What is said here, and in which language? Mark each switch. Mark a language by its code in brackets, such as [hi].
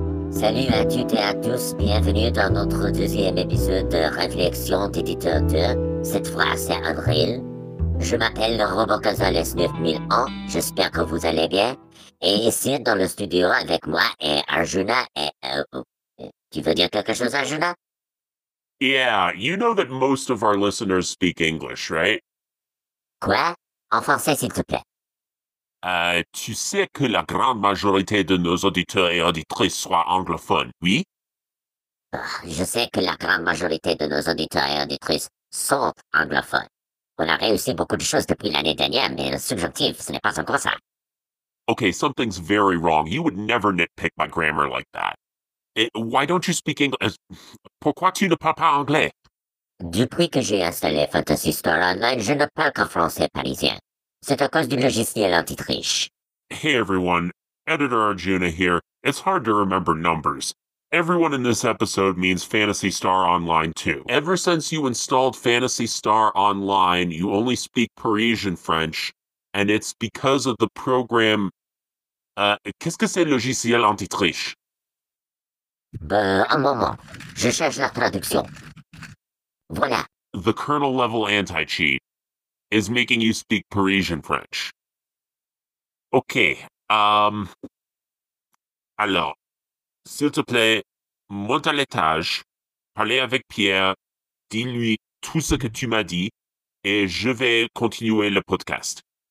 [fr] Salut à toutes et à tous, bienvenue dans notre deuxième épisode de Réflexion d'Éditeur 2. Cette fois, c'est Avril. Je m'appelle RoboGonzales 9001, j'espère que vous allez bien. Et ici, dans le studio, avec moi et Arjuna, et... tu veux dire quelque chose, Arjuna? [en] Yeah, you know that most of our listeners speak English, right? [fr] Quoi? En français, s'il te plaît. Tu sais que la grande majorité de nos auditeurs et auditrices sont anglophones, oui? Je sais que la grande majorité de nos auditeurs et auditrices sont anglophones. On a réussi beaucoup de choses depuis l'année dernière, mais le subjonctif, ce n'est pas encore ça. [en] Okay, something's very wrong. You would never nitpick my grammar like that. Why don't you speak English? [fr] Pourquoi tu ne parles pas anglais? Depuis que j'ai installé Fantasy Star Online, je ne parle qu'en français parisien. C'est à cause du logiciel anti-triche. [en] Hey everyone, Editor Arjuna here. It's hard to remember numbers. Everyone in this episode means Fantasy Star Online 2. Ever since you installed Fantasy Star Online, you only speak Parisian French, and it's because of the program... [fr] qu'est-ce que c'est le logiciel anti-triche? Un moment. Je cherche la traduction. Voilà. [en] The kernel-level anti-cheat is making you speak Parisian French. [fr] Okay, alors, s'il te plaît, monte à l'étage, parlez avec Pierre, dis-lui tout ce que tu m'as dit, et je vais continuer le podcast.